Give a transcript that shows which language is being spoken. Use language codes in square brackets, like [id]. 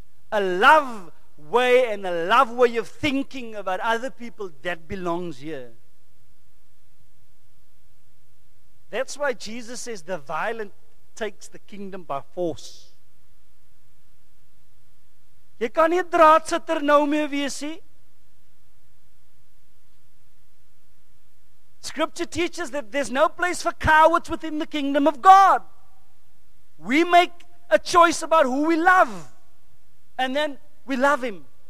[en] a love way and a love way of thinking about other people that belongs here. That's why Jesus says the violent takes the kingdom by force. [af] Jy kan nie draadsitter nou meer wees nie. [en] Scripture teaches that there's no place for cowards within the kingdom of God. We make a choice about who we love, and then we love him.